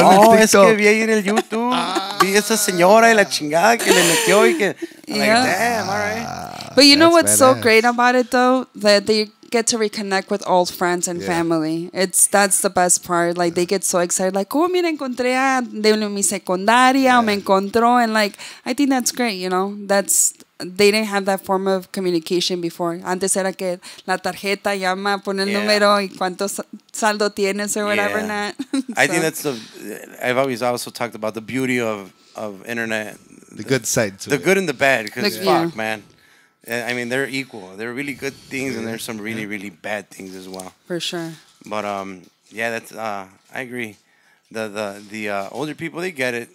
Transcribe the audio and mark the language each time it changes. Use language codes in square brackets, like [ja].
[es] oh, es que vi ahí en el YouTube, vi esa señora y la chingada que le metió y que, yeah. [en] Like, damn, all right. But you know what's badass. So great about it, though, that they get to reconnect with old friends and family. It's that's the best part. Like, they get so excited, like, [es] oh, mira, encontré a de mi secundaria, o me encontró, [en] and like, I think that's great. You know, that's they didn't have that form of communication before. [es] Antes era que la tarjeta llama, pone el número y cuánto saldo tienes [en] or whatever. Yeah. Not. So. I think that's I've always also talked about the beauty of internet. The good side to the it. Good and the bad, because like, fuck, man. I mean, they're equal. They're really good things, and there's some really, really bad things as well. For sure. But I agree. The older people, they get it.